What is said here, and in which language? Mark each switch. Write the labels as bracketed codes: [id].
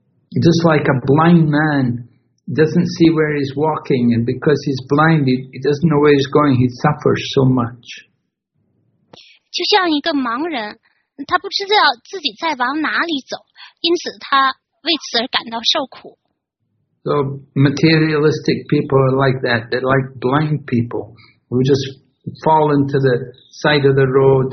[en] Just like a blind man doesn't see where he's walking, and because he's blind, he doesn't know where he's going. He suffers so much. [zh] 就像一个盲人，他不知道自己在往哪里走，因此他为此而感到受苦。 [en] So materialistic people are like that. They're like blind people who just fall into the side of the road.